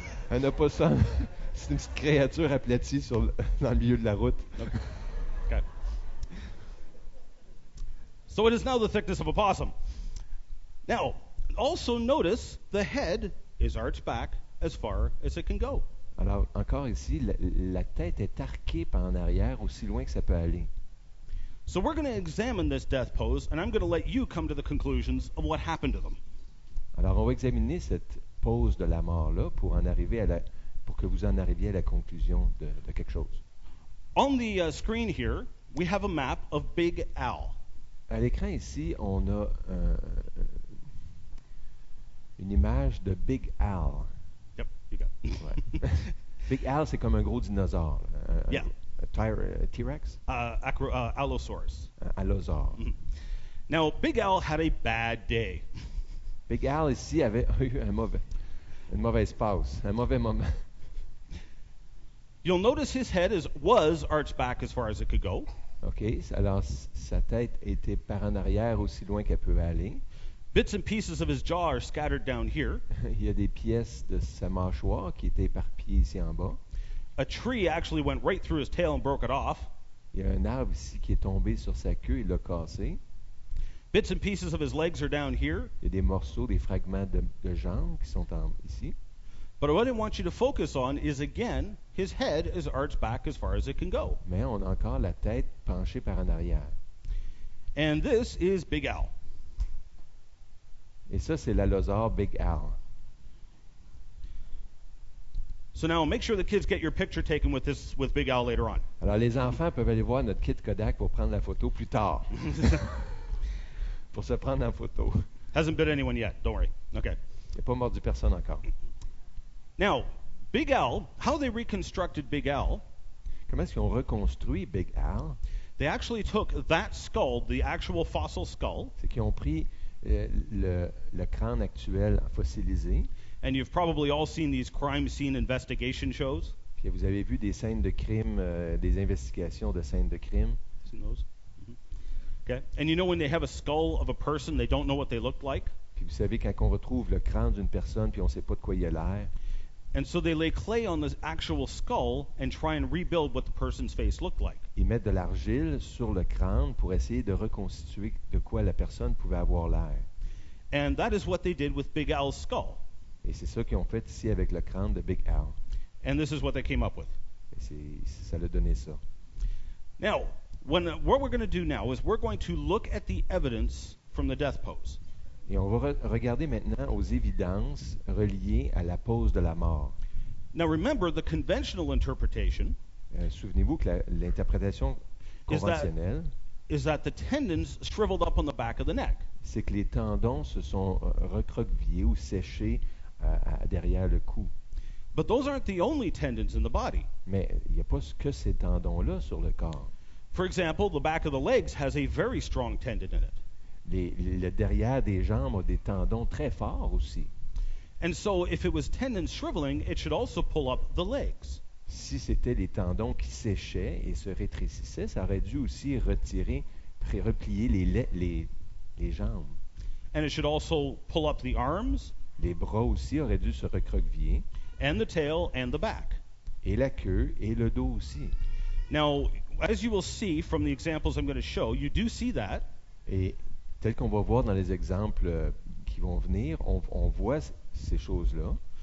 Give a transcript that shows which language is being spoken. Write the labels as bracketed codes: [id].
[fr] Un opossum, c'est une petite créature aplatie sur dans le milieu de la route. [en] Okay. So it is now the thickness of a possum. Now, also notice the head is arched back as far as it can go. [fr] Alors, encore ici, la tête est arquée par en arrière aussi loin que ça peut aller. [en] So we're going to examine this death pose, and I'm going to let you come to the conclusions of what happened to them. [fr] Alors, on va examiner cette pose de la mort-là pour que vous en arriviez à la conclusion de quelque chose. [en] On the screen here, we have a map of Big Al. [fr] À l'écran ici, on a une image de Big Al. [en] Yep, you got it. [fr] Ouais. Big Al, c'est comme un gros dinosaure. [en] Yeah. T-Rex? Allosaurus. Allosaur. Mm-hmm. Now, Big Al had a bad day. [fr] Big Al ici avait eu un mauvais moment. [en] You'll notice his head was arched back as far as it could go. [fr] OK, alors sa tête était par en arrière aussi loin qu'elle peut aller. [en] Bits and pieces of his jaw are scattered down here. [fr] Il y a des pièces de sa mâchoire qui étaient éparpillées ici en bas. [en] A tree actually went right through his tail and broke it off. [fr] Il y a un arbre ici qui est tombé sur sa queue et l'a cassé. [en] Bits and pieces of his legs are down here. [fr] Il y a des morceaux, des fragments de jambes qui sont ici. [en] But what I want you to focus on is again, his head is arched back as far as it can go. [fr] Mais on a encore la tête penchée par en arrière. [en] And this is Big Al. [fr] Et ça, c'est l'allosaure Big Al. [en] So now, make sure the kids get your picture taken with this with Big Al later on. [fr] Alors, les enfants peuvent aller voir notre kit Kodak pour prendre la photo plus tard. Pour se prendre en photo. [en] Hasn't bit anyone yet, don't worry. Okay. [fr] Il n'a pas mordu personne encore. [en] Now, Big Al, how they reconstructed Big Al. [fr] Comment est-ce qu'ils ont reconstruit Big Al? [en] They actually took that skull, the actual fossil skull. [fr] C'est qu'ils ont pris le crâne actuel fossilisé. [en] And you've probably all seen these crime scene investigation shows. [fr] Puis vous avez vu des scènes de crime, des investigations de scènes de crime. [en] Seen those? Mm-hmm. Okay. And you know when they have a skull of a person, they don't know what they look like. [fr] Puis vous savez quand on retrouve le crâne d'une personne, puis on ne sait pas de quoi il a l'air. [en] And so they lay clay on the actual skull and try and rebuild what the person's face looked like. [fr] Ils mettent de l'argile sur le crâne pour essayer de reconstituer de quoi la personne pouvait avoir l'air. [en] And that is what they did with Big Al's skull. [fr] Et c'est ça qu'ils ont fait ici avec le crâne de Big Al. [en] And this is what they came up with. [fr] Et ça l'a donné ça. [en] Now, what we're going to do now is we're going to look at the evidence from the death pose. [fr] Et on va regarder maintenant aux évidences reliées à la pose de la mort. [en] Now remember the conventional interpretation. [fr] Souvenez-vous que l'interprétation conventionnelle [en] is that the tendons shriveled up on the back of the neck. [fr] C'est que les tendons se sont recroquevillés ou séchés derrière le cou. [en] But those aren't the only tendons in the body. [fr] Mais il n'y a pas que ces tendons-là sur le corps. [en] For example, the back of the legs has a very strong tendon in it. [fr] Le derrière des jambes a des tendons très forts aussi. [en] And so if it was tendons shriveling, it should also pull up the legs. [fr] Si c'était les tendons qui séchaient et se rétrécissaient, ça aurait dû aussi retirer replier les jambes. [en] And it should also pull up the arms. [fr] Les bras aussi auraient dû se recroqueviller. [en] And the tail and the back. [fr] Et la queue et le dos aussi. [en] Now, as you will see from the examples I'm going to show, you do see that. [fr] Et tel qu'on va voir dans les exemples qui vont venir, on voit ces choses-là.